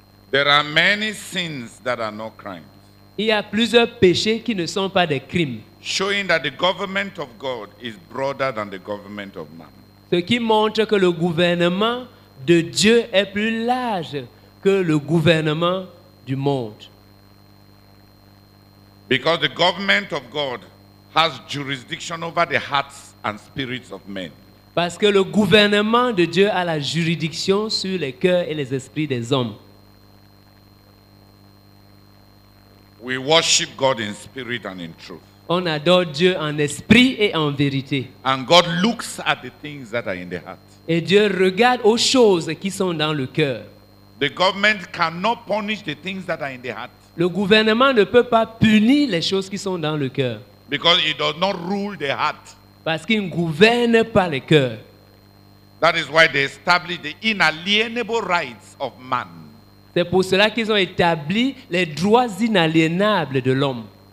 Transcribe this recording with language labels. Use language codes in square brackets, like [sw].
[en] There are many sins that are not crimes. [fr] Il y a plusieurs péchés qui ne sont pas des crimes. [en] Showing that the government of God is broader than the government of man. [fr] Ce qui montre que le gouvernement de Dieu est plus large que le gouvernement du monde. [en] Because the government of God has jurisdiction over the hearts and spirits of men. [fr] Parce que le gouvernement de Dieu a la juridiction sur les cœurs et les esprits des hommes. [en] We worship God in spirit and in truth. [fr] On adore Dieu en esprit et en vérité. [en] And God looks at the things that are in the heart. [fr] Et Dieu regarde aux choses qui sont dans le cœur. [en] The government cannot punish the things that are in the heart. [fr] Le gouvernement ne peut pas punir les choses qui sont dans le cœur. [en] Because it does not rule the heart. [fr] Parce qu'il ne gouverne pas le cœur. [en] That is why they establish the inalienable rights of man. [fr] C'est pour cela qu'ils ont établi les droits inaliénables de l'homme.